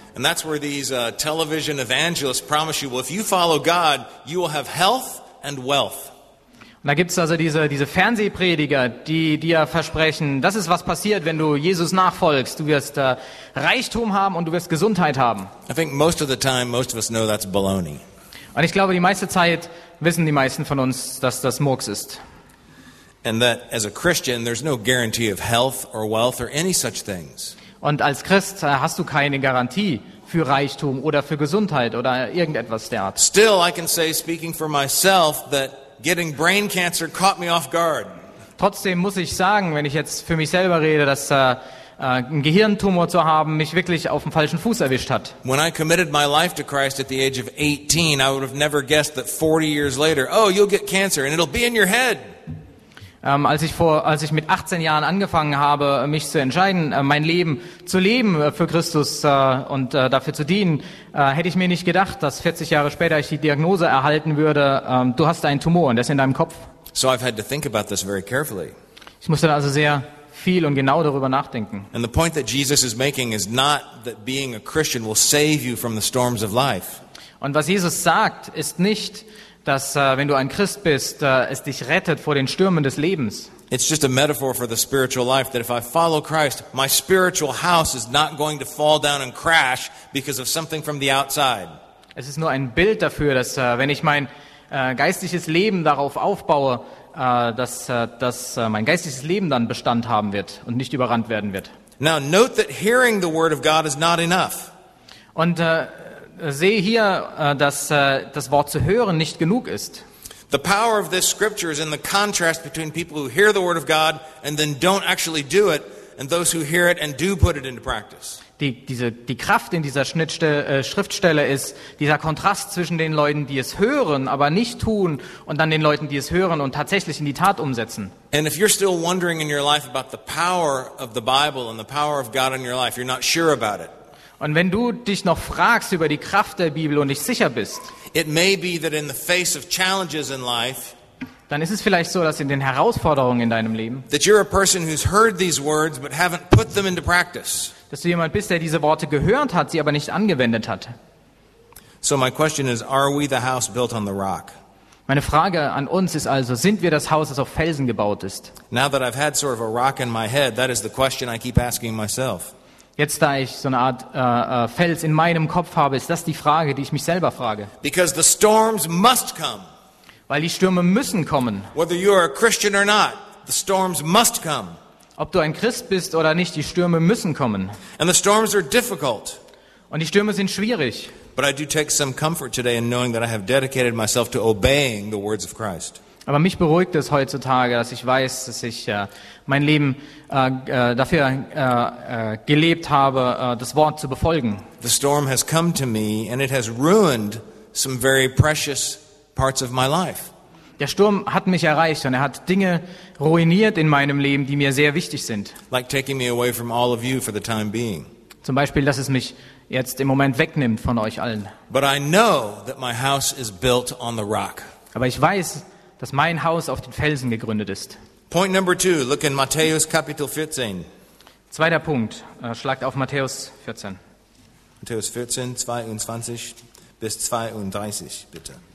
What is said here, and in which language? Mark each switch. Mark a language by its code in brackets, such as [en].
[en] And that's where these television evangelists promise you, well, if you follow God, you will have health and wealth. [de] Und da gibt's also diese Fernsehprediger, die dir versprechen, das ist was passiert, wenn du Jesus nachfolgst. Du wirst Reichtum haben und du wirst Gesundheit haben. [en] I think most of the time, most of us know that's baloney. [de] Und ich glaube, die meiste Zeit wissen die meisten von uns, dass das Murks ist. [en] And that as a Christian, there's no guarantee of health or wealth or any such things. [de] Und als Christ hast du keine Garantie für Reichtum oder für Gesundheit oder irgendetwas derart. [en] Still, I can say, speaking for myself, that getting brain cancer caught me off guard. [de] Trotzdem muss ich sagen, wenn ich jetzt für mich selber rede, dass ein Gehirntumor zu haben mich wirklich auf dem falschen Fuß erwischt hat. [en] When I committed my life to Christ at the age of 18, I would have never guessed that 40 years later, oh, you'll get cancer and it'll be in your head. [de] Als ich mit 18 Jahren angefangen habe, mich zu entscheiden, mein Leben zu leben für Christus und dafür zu dienen, hätte ich mir nicht gedacht, dass 40 Jahre später ich die Diagnose erhalten würde, du hast einen Tumor und der ist in deinem Kopf. [en] So I've had to think about this very carefully. [de] Ich musste also sehr viel und genau darüber nachdenken. [en] And the point that Jesus is making is not that being a Christian will save you from the storms of life. [de] Und was Jesus sagt, ist nicht, dass wenn du ein Christ bist, es dich rettet vor den Stürmen des Lebens. [en] It's just a metaphor for the spiritual life that if I follow Christ, my spiritual house is not going to fall down and crash because of something from the outside. [de] Es ist nur ein Bild dafür, dass wenn ich mein geistliches Leben darauf aufbaue, dass mein geistliches Leben dann Bestand haben wird und nicht überrannt werden wird. [en] Now note that hearing the word of God is not enough. [de] Und sehe hier, dass das Wort zu hören nicht genug ist. [en] The power of this scripture is in the contrast between people who hear the word of God and then don't actually do it and those who hear it and do put it into practice. [de] Die Kraft in dieser Schriftstelle ist dieser Kontrast zwischen den Leuten, die es hören, aber nicht tun, und dann den Leuten, die es hören und tatsächlich in die Tat umsetzen. [en] And if you're still wondering in your life about the power of the Bible and the power of God in your life, you're not sure about it. [de] Und wenn du dich noch fragst über die Kraft der Bibel und nicht sicher bist, [en] it may be that in the face of challenges in life, [de] dann ist es vielleicht so, dass in den Herausforderungen in deinem Leben, [en] that you're a person who's heard these words but haven't put them into practice, [de] dass du jemand bist, der diese Worte gehört hat, sie aber nicht angewendet hat. [en] So my question is, are we the house built on the rock? [de] Meine Frage an uns ist also, sind wir das Haus, das auf Felsen gebaut ist? [en] Now that I've had sort of a rock in my head, that is the question I keep asking myself. [de] Jetzt, da ich so eine Art Fels in meinem Kopf habe, ist das die Frage, die ich mich selber frage. [en] Because the storms must come. [de] Weil die Stürme müssen kommen. [en] Whether you are a Christian or not, the storms must come. [de] Ob du ein Christ bist oder nicht, die Stürme müssen kommen. [en] And the storms are difficult. [de] Und die Stürme sind schwierig. [en] But I do take some comfort today in knowing that I have dedicated myself to obeying the words of Christ. [de] Aber mich beruhigt es heutzutage, dass ich weiß, dass ich mein Leben dafür gelebt habe, das Wort zu befolgen. [en] The storm has come to me and it has ruined some very precious parts of my life. [de] Der Sturm hat mich erreicht und er hat Dinge ruiniert in meinem Leben, die mir sehr wichtig sind. [en] Like taking me away from all of you for the time being. [de] Zum Beispiel, dass es mich jetzt im Moment wegnimmt von euch allen. [en] But I know that my house is built on the rock. [de] Aber ich weiß, dass mein Haus auf den Felsen gegründet ist. [en] Point number two, look in [de] Matthäus Kapitel 14. Zweiter Punkt, schlagt auf Matthäus 14. Matthäus 14, 22 bis 32, bitte.